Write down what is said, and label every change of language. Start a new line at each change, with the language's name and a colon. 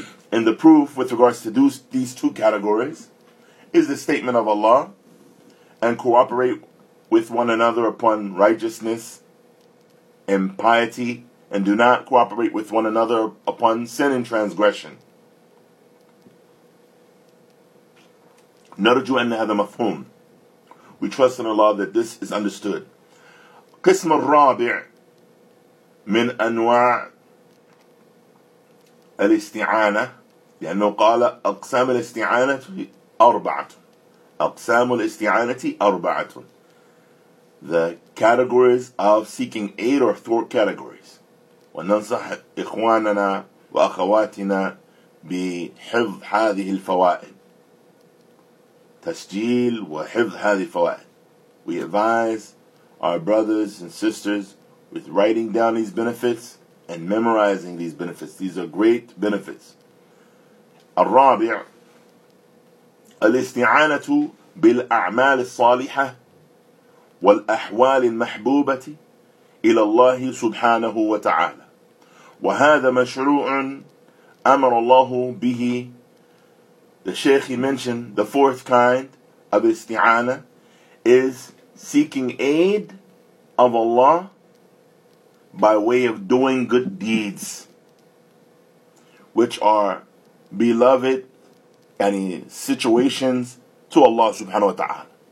English: And the proof with regards to these two categories is the statement of Allah, and cooperate with one another upon righteousness and piety, and do not cooperate with one another upon sin and transgression.
Arabic: نرجو أن هذا مفهوم.
English: We trust in Allah that this is understood.
Arabic: قسم الرابع من أنواع الاستعانة, لأنه قال أقسام الاستعانة أربعة. أقسام الاستعانة أربعة.
English: The categories of seeking aid are four categories.
Arabic: وننصح إخواننا وأخواتنا بحفظ هذه الفوائد. تسجيل وحفظ هذه الفوائد.
English: We advise our brothers and sisters with writing down these benefits and memorizing these benefits. These are great benefits.
Arabic: الرابع الاستعانة بالأعمال الصالحة والأحوال المحبوبة إلى الله سبحانه وتعالى وهذا مشروع أمر الله به.
English: The Shaykh, he mentioned the fourth kind of isti'ana is seeking aid of Allah by way of doing good deeds, which are beloved and situations to Allah subhanahu wa ta'ala.